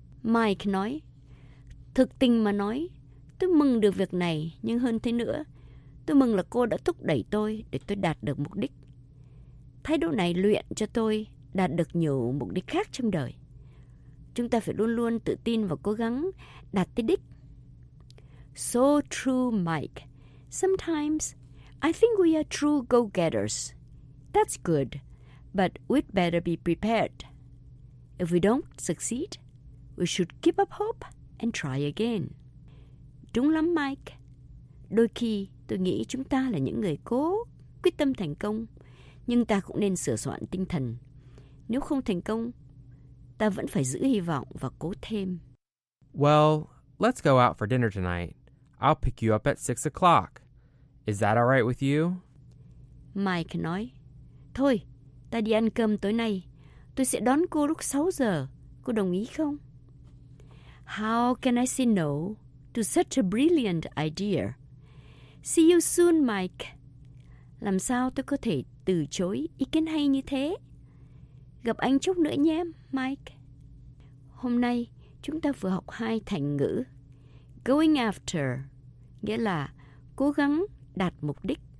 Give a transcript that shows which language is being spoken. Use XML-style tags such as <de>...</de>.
<vi>Mike nói, thực tình mà nói, tôi mừng được việc này, nhưng hơn thế nữa, tôi mừng là cô đã thúc đẩy tôi để tôi đạt được mục đích. Thái độ này luyện cho tôi đạt được nhiều mục đích khác trong đời. Chúng ta phải luôn luôn tự tin và cố gắng đạt tới đích.</vi> <en>So true, Mike. Sometimes, I think we are true go-getters. That's good, but we'd better be prepared. If we don't succeed, we should keep up hope and try again.</en> <vi>Đúng lắm, Mike. Đôi khi, tôi nghĩ chúng ta là những người cố quyết tâm thành công, nhưng ta cũng nên sửa soạn tinh thần. Nếu không thành công, ta vẫn phải giữ hy vọng và cố thêm.</vi> <en>Well, let's go out for dinner tonight. I'll pick you up at 6 o'clock. Is that all right with you?</en> <vi>Mike nói, thôi, ta đi ăn cơm tối nay. Tôi sẽ đón cô lúc 6 giờ. Cô đồng ý không?</vi> <en>How can I say no to such a brilliant idea? See you soon, Mike.</en> <vi>Làm sao tôi có thể từ chối ý kiến hay như thế? Gặp anh chút nữa nhé, Mike. Hôm nay, chúng ta vừa học hai thành ngữ. Going after, nghĩa là cố gắng đạt mục đích.</vi>